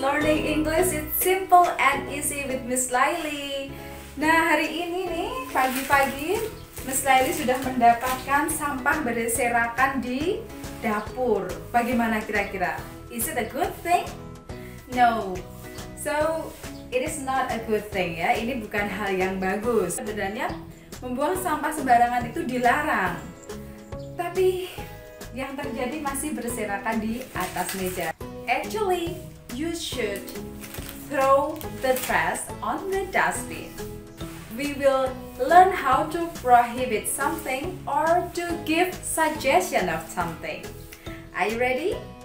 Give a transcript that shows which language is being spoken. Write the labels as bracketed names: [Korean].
[English] Learning English is simple and easy with Miss Laily. [Indonesian] Nah, hari ini nih, pagi-pagi Miss Laily sudah mendapatkan sampah berserakan di dapur. Bagaimana kira-kira? [English] Is it a good thing? No. So, it is not a good thing ya. [Indonesian] Ini bukan hal yang bagus. Sebenarnya, membuang sampah sembarangan itu dilarang. Tapi yang terjadi masih berserakan di atas meja. [English] Actually, you should throw the trash on the dustbin. We will learn how to prohibit something or to give suggestion of something. Are you ready?